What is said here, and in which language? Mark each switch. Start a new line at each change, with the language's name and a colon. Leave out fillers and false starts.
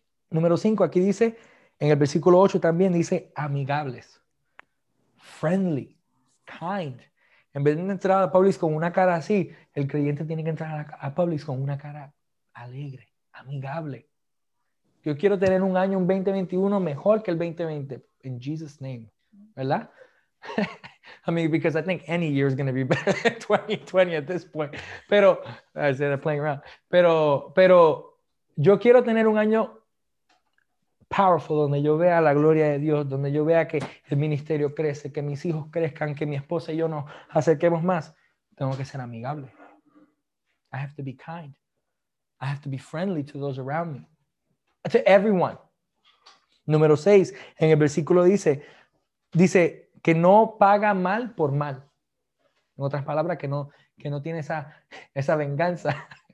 Spanish: Número 5, aquí dice, en el versículo 8 también dice, amigables.
English: Friendly. Kind.
Spanish: En vez de entrar a Publix con una cara así, el creyente tiene que entrar a Publix con una cara alegre, amigable. Yo quiero tener un año, un 2021 mejor que el 2020.
English: In Jesus' name,
Spanish: ¿verdad?
English: I mean, because I think any year is going to be better than 2020 at this point. Pero, I said I'm playing around.
Spanish: Pero, yo quiero tener un año powerful, donde yo vea la gloria de Dios, donde yo vea que el ministerio crece, que mis hijos crezcan, que mi esposa y yo nos acerquemos más. Tengo que ser amigable.
English: I have to be kind. I have to be friendly to those around me. To everyone.
Spanish: Número 6, en el versículo dice que no paga mal por mal. En otras palabras, que no tiene esa venganza.